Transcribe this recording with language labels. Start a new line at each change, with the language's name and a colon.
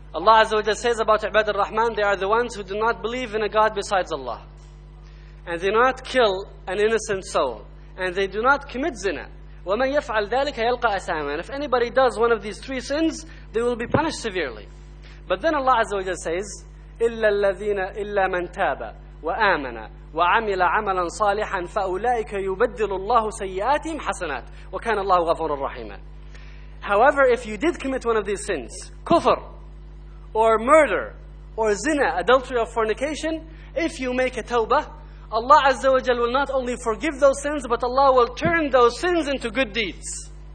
English: Allah Azza wa Jalla says about Ibad al-Rahman, they are the ones who do not believe in a God besides Allah. And they do not kill an innocent soul. And they do not commit zina.
Arabic: وَمَنْ يَفْعَلْ ذَلِكَ يَلْقَ أَثَامًا.
English: If anybody does one of these three sins, they will be punished severely. But then Allah Azza wa Jalla says,
Arabic: إِلَّا الَّذِينَ إِلَّا مَنْ تَابَ وَآمَنَ وَعَمِلَ عَمَلًا صَالِحًا فَأُولَٰئِكَ يُبَدِّلُ اللَّهُ سَيِّئَاتِهِمْ حَسَنَاتٍ وَكَانَ اللَّهُ غَفُورًا رَحِيمًا.
English: However, if you did commit one of these sins, kufr, or murder, or zina, adultery or fornication, if you make a tawbah, Allah Azza wa Jal will not only forgive those sins, but Allah will turn those sins into good deeds.